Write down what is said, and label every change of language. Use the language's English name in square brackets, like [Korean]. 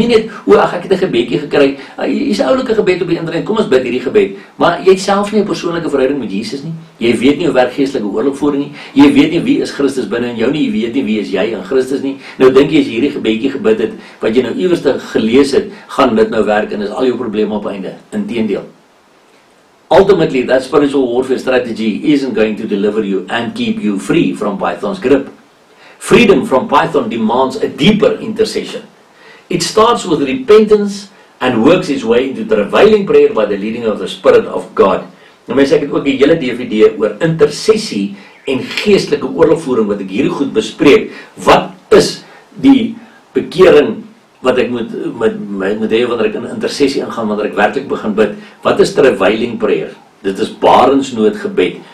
[Afrikaans] Nie net, ek het 'n gebedjie gekry, hier's 'n oulike gebed op die internet, kom ons bid hierdie gebed. Maar jy het self nie 'n persoonlike verhouding met Jesus nie. Jy weet nie hoe werk geestelike oorlogvoering nie. Jy weet nie wie is Christus binne in jou nie. Jy weet nie wie is jy in Christus nie. Nou dink jy as jy hierdie gebedjie gebid het, wat jy nou iewers gelees het, gaan dit nou werk en is al jou probleme op einde. Inteendeel. [English] Ultimately, that spiritual warfare strategy isn't going to deliver you and keep you free from Python's grip. Freedom from Python demands a deeper intercession. It starts with repentance and works its way into travailing prayer by the leading of the Spirit of God. [Afrikaans] Nou mense, ek het ook 'n hele DVD oor intersessie en geestelike oorlogvoering wat ek hier goed bespreek. Wat is die bekering wat ek moet met hê wanneer ek in intersessie ingaan, wanneer ek werklik begin bid? Wat is travailing prayer? Dit is barensnood gebed.